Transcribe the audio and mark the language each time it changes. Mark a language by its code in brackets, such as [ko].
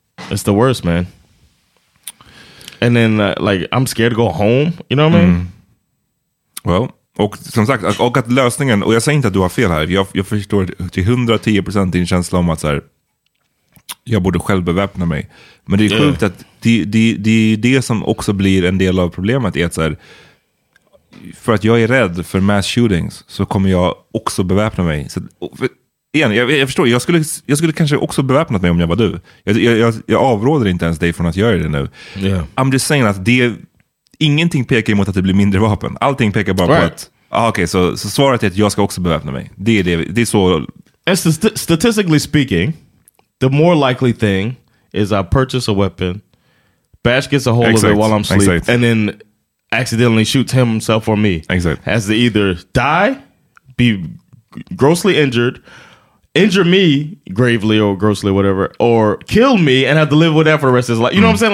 [en] It's the worst, man. And then like, I'm scared to go home. You know what I mean? [sv] Well, och som sagt, och att lösningen, och jag säger inte att du har fel här, jag förstår till 110% din känsla om att så här, jag borde själv beväpna mig. Men det är sjukt att det som också blir en del av problemet är att så här, för att jag är rädd för mass shootings så kommer jag också beväpna mig. Så, igen, jag förstår. Jag skulle kanske också beväpnat mig om jag var du. Jag avråder inte ens dig från att göra det nu. [en] Yeah. I'm just saying [sv] att det, ingenting pekar emot att det blir mindre vapen. Allting pekar bara på att... Okej, så svaret är att jag ska också beväpna mig. Det är så... [en] Statistically speaking, the more likely thing is I purchase a weapon, Bash gets a hold of it while I'm asleep, and then accidentally shoots himself or me. Exactly. Has to either die, be grossly injured, injure me gravely or grossly, whatever, or kill me and have to live with that for the rest of his life. You know what I'm saying?